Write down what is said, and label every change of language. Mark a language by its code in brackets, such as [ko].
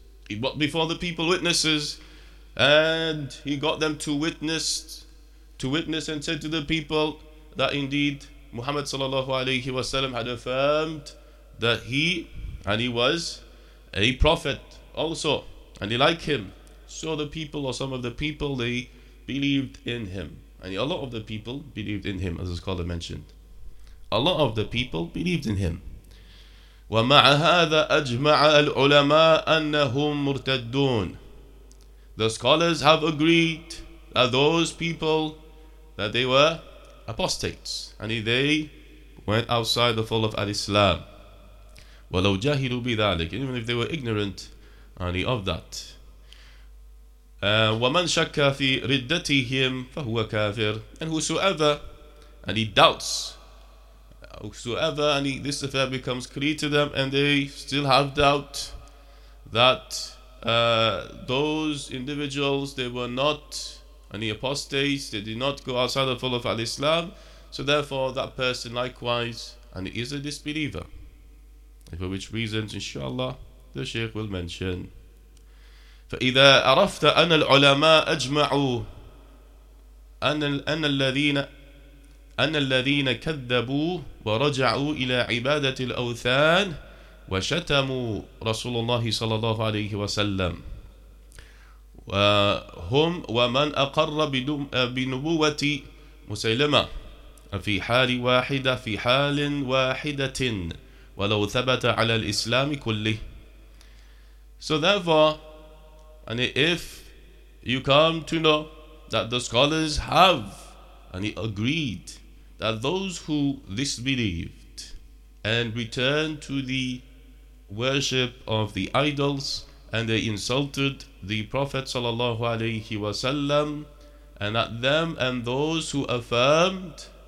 [en] He brought before the people witnesses and he got them to witness and said to the people that indeed Muhammad sallallahu alayhi wa sallam had affirmed that he was a prophet also, and he liked him. So the people, or some of the people, they believed in him. And a lot of the people believed in him, as the scholar mentioned. A lot of the people believed in him. [ar] ومع هذا أجمع العلماء أنهم مرتدون. [en] The scholars have agreed that those people, that they were apostates, and they went outside the fold of Al-Islam. [ar] ولو جاهلوا بذلك, [en] even if they were ignorant of that. [ar] ومن شك في ردتهم فهو كافر. [en] And whosoever doubts, whosoever this affair becomes clear to them and they still have doubt that those individuals, they were not apostates, they did not go outside the fold of Al-Islam, so therefore that person likewise is a disbeliever. And for which reasons, inshallah, the Shaykh will mention. [ar] فإذا عرفت أن العلماء أجمعوا أن الذين كذبوا ورجعوا إلى عبادة الأوثان وشتموا رسول الله صلى الله عليه وسلم وهم ومن أقر بنبوة مسيلمة في حال واحدة ولو ثبت على الإسلام كله. [en] So therefore, if you come to know that the scholars have agreed that those who disbelieved and returned to the worship of the idols and they insulted the Prophet sallallahu alayhi wasallam, and that them and those who affirmed